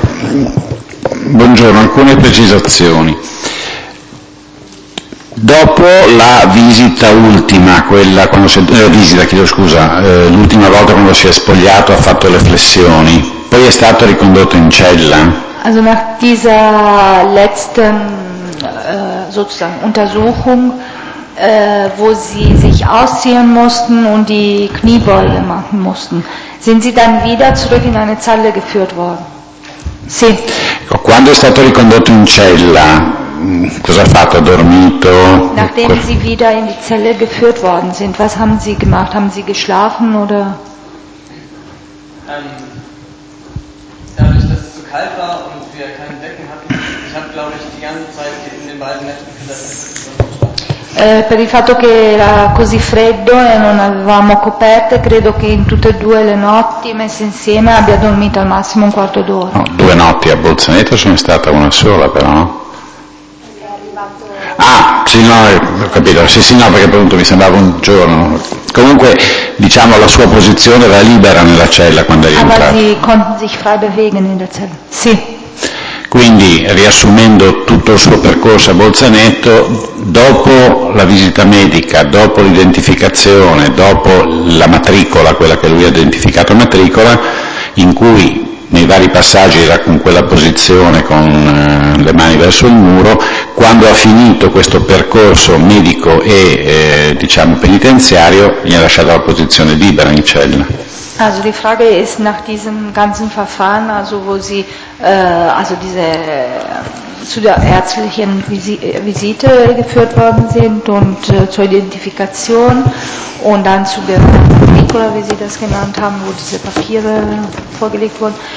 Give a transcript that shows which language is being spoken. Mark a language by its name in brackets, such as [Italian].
[Italian] Buongiorno, alcune precisazioni. Dopo la visita ultima, quella quando si è, visita, chiedo scusa, l'ultima volta quando si è spogliato ha fatto le flessioni, poi è stato ricondotto in cella? [German] Also nach dieser letzten sozusagen Untersuchung, wo sie sich ausziehen mussten und die Kniebeuge machen mussten, sind sie dann wieder zurück in eine Zelle geführt worden? [Italian] Sì. Quando è stato ricondotto in cella, cosa ha fatto? Ha dormito? [German] Nachdem sie wieder in die Zelle geführt worden sind, was haben sie gemacht? Haben sie geschlafen oder? Dadurch, dass es zu kalt war und wir keine Decken hatten, ich habe glaube ich die ganze Zeit in den beiden Netten [Italian] Per il fatto che era così freddo e non avevamo coperte, credo che in tutte e due le notti messe insieme abbia dormito al massimo un quarto d'ora. No, due notti a Bolzaneto sono stata una sola però, no? Ah, sì, no, ho capito, sì, sì, no, perché appunto mi sembrava un giorno. Comunque, diciamo, la sua posizione era libera nella cella quando è rientrata. [German] Aber sie konnten sich frei bewegen in der Zelle. [Italian] Sì. Quindi, riassumendo tutto il suo percorso a Bolzaneto, dopo la visita medica, dopo l'identificazione, dopo la matricola, quella che lui ha identificato matricola, in cui nei vari passaggi era con quella posizione, con le mani verso il muro, quando ha finito questo percorso medico e, diciamo, penitenziario, gli ha lasciato la posizione libera in cella. [German] Also die Frage ist nach diesem ganzen Verfahren, also wo sie also diese zu der ärztlichen Visite geführt worden sind und zur Identifikation und dann zu der Matrikula, wie Sie das genannt haben, wo diese Papiere vorgelegt wurden.